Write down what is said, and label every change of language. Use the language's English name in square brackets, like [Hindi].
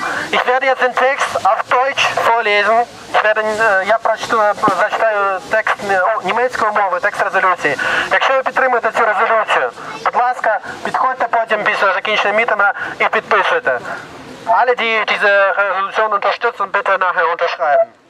[German] Ich werde jetzt den Text auf Deutsch vorlesen. [Ukrainian] Я зачитаю текст німецькою мовою, текст резолюції. Якщо ви підтримуєте цю резолюцію, будь ласка, підходьте потім після закінчення мітинга і підписуйте. [German] Alle, die diese Resolution unterstützen, bitte nachher unterschreiben.